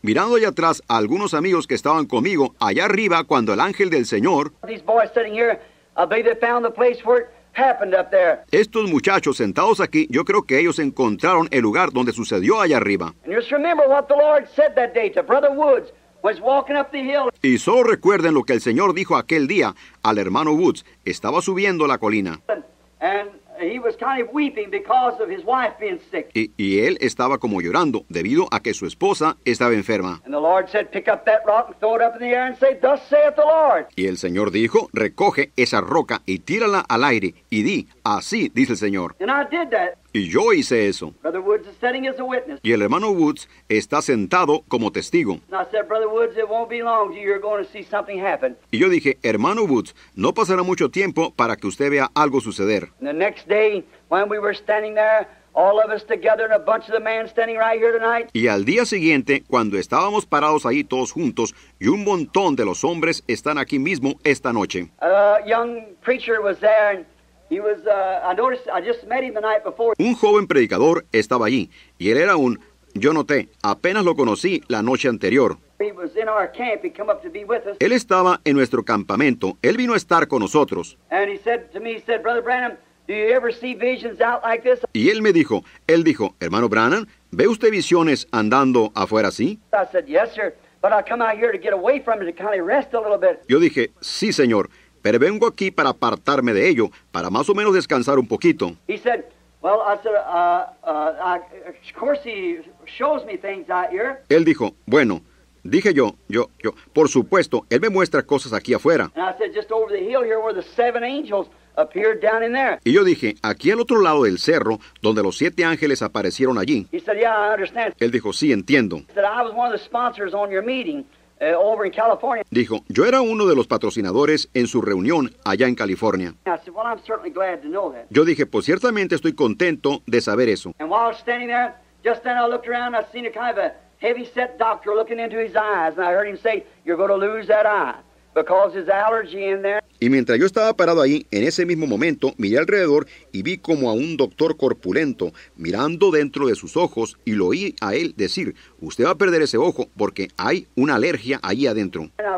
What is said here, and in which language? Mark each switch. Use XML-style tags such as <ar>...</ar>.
<es>Mirando allá atrás a algunos amigos que estaban conmigo allá arriba cuando el ángel del Señor.</es> <en>These boys sitting here, they found the place where happened up there.</en> <es>Estos muchachos sentados aquí, yo creo que ellos encontraron el lugar donde sucedió allá arriba.</es> <en>And just remember what the Lord said that day to Brother Woods was walking up the hill.</en> <es>Y solo recuerden lo que el Señor dijo aquel día al hermano Woods. Estaba subiendo la colina.</es> <en>And he was kind of weeping because of his wife being sick.</en> <es>Y él estaba como llorando debido a que su esposa estaba enferma.</es> <en>And the Lord said, pick up that rock and throw it up in the air and say, thus saith the Lord.</en> <es>Y el Señor dijo, recoge esa roca y tírala al aire y di, así dice el Señor.</es> <en>And I did that.</en> <es>Y yo hice eso.</es> <en>Brother Woods is sitting as a witness.</en> <es>Y el hermano Woods está sentado como testigo.</es> <en>And I said, Brother Woods, it won't be long. You're going to see something happen.</en> <es>Y yo dije, hermano Woods, no pasará mucho tiempo para que usted vea algo suceder.</es> <en>And the next day, when we were standing there, all of us together and a bunch of the men standing right here tonight.</en> <es>Y al día siguiente, cuando estábamos parados ahí todos juntos, y un montón de los hombres están aquí mismo esta noche.</es> <en>A young preacher was there and I just met him the night before.</en> <es>Un joven predicador estaba allí, y él era yo noté, apenas lo conocí la noche anterior.</es> <en>He was in our camp, he came up to be with us.</en> <es>Él estaba en nuestro campamento, él vino a estar con nosotros.</es> <en>And he said to me, he said, Brother Branham, do you ever see visions out like this?</en> <es>Y él dijo, hermano Branham, ¿ve usted visiones andando afuera así?</es> <en>I said, yes, sir, but I come out here to get away from it, to kind of rest a little bit.</en> <es>Yo dije, sí, señor. pero vengo aquí para apartarme de ello, para más o menos descansar un poquito.</es> <en>He said, well, sir, of course he shows me things out here.</en> <es>Él dijo, bueno, dije yo, por supuesto, él me muestra cosas aquí afuera.</es> <en>And I said, just over the hill here where the seven angels appeared down in there.</en> <es>Y yo dije, aquí al otro lado del cerro, donde los siete ángeles aparecieron allí.</es> <en>He said, yeah, I understand.</en> <es>Él dijo, sí, entiendo.</es> <en>He said, I was one of the sponsors on your meeting. Over in California.</en> <es>Dijo, yo era uno de los patrocinadores en su reunión allá en California.</es> <en>I said, well, I'm certainly glad to know that.</en> <es>Yo dije, pues ciertamente estoy contento de saber eso.</es> <en>And while I was standing there, just then I looked around and I seen a kind of a heavy-set doctor looking into his eyes. And I heard him say, you're going to lose that eye because his allergy in there.</en> <es>Y mientras yo estaba parado ahí, en ese mismo momento, miré alrededor y vi como a un doctor corpulento mirando dentro de sus ojos y lo oí a él decir, usted va a perder ese ojo porque hay una alergia ahí adentro.</es>